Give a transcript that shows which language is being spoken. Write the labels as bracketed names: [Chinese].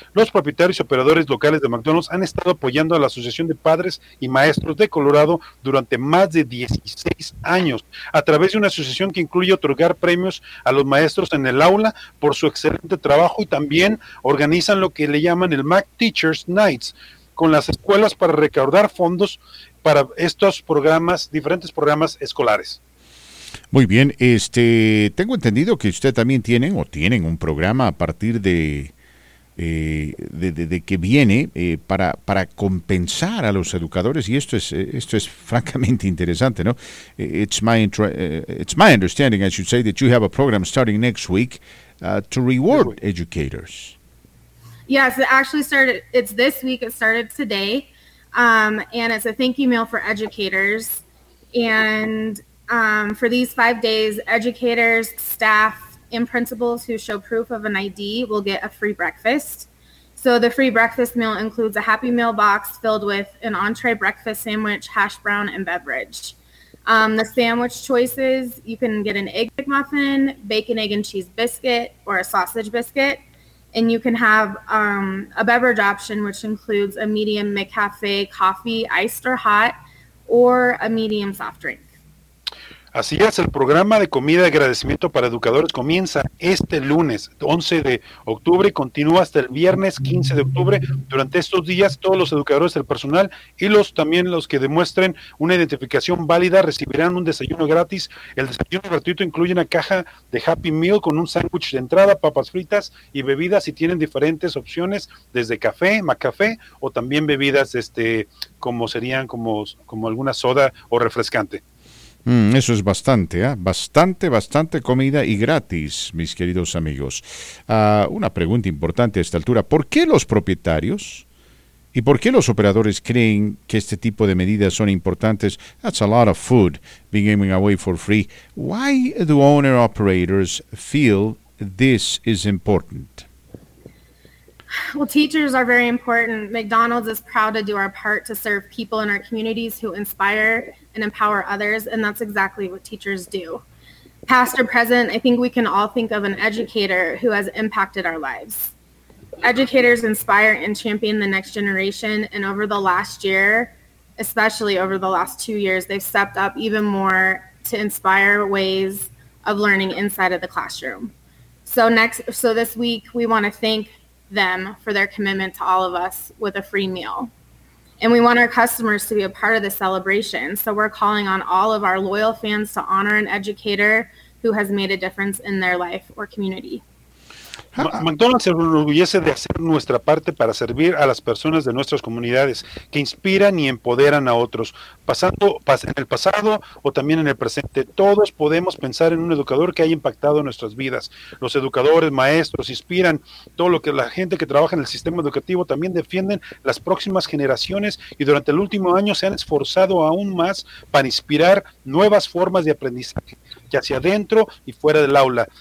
[Spanish] Los propietarios y operadores locales de McDonald's han estado apoyando a la Asociación de Padres y Maestros de Colorado durante más de 16 años a través de una asociación que incluye otorgar premios a los maestros en el aula por su excelente trabajo y también organizan lo que le llaman el Mac Teachers Nights con las escuelas para recaudar fondos para estos programas, diferentes programas escolares. Muy bien, tengo entendido que usted también tiene o tienen un programa a partir de que viene para compensar a los educadores, y esto es francamente interesante, ¿no? [English] It's my understanding, I should say, that you have a program starting next week to reward educators. Yes, it actually started, it's this week, it started today, and it's a thank you meal for educators, and for these 5 days, educators, staff, and principals who show proof of an ID will get a free breakfast. So the free breakfast meal includes a Happy Meal box filled with an entree breakfast sandwich, hash brown, and beverage. The sandwich choices, you can get an egg McMuffin, bacon, egg, and cheese biscuit, or a sausage biscuit. And you can have a beverage option, which includes a medium McCafe coffee, iced or hot, or a medium soft drink. [Spanish] Así es, el programa de comida de agradecimiento para educadores comienza este lunes 11 de octubre y continúa hasta el viernes 15 de octubre. Durante estos días, todos los educadores, el personal y los que demuestren una identificación válida recibirán un desayuno gratis. El desayuno gratuito incluye una caja de Happy Meal con un sándwich de entrada, papas fritas y bebidas, y tienen diferentes opciones desde café, McCafé o también bebidas como alguna soda o refrescante. Eso es bastante, ¿eh? Bastante, bastante comida y gratis, mis queridos amigos. Una pregunta importante a esta altura. ¿Por qué los propietarios y por qué los operadores creen que este tipo de medidas son importantes? [English] That's a lot of food being given away for free. Why do owner operators feel this is important? Well, teachers are very important. McDonald's is proud to do our part to serve people in our communities who inspire and empower others, and that's exactly what teachers do. Past or present, I think we can all think of an educator who has impacted our lives. Educators inspire and champion the next generation, and over the last year, especially over the last 2 years, they've stepped up even more to inspire ways of learning inside of the classroom. So this week, we want to thank them for their commitment to all of us with a free meal. And we want our customers to be a part of the celebration. So we're calling on all of our loyal fans to honor an educator who has made a difference in their life or community. [Spanish] McDonald's se enorgullece de hacer nuestra parte para servir a las personas de nuestras comunidades que inspiran y empoderan a otros, pasando en el pasado o también en el presente. Todos podemos pensar en un educador que haya impactado nuestras vidas. Los educadores, maestros, inspiran todo lo que la gente que trabaja en el sistema educativo, también defienden las próximas generaciones y durante el último año se han esforzado aún más para inspirar nuevas formas de aprendizaje hacia adentro y fuera del aula.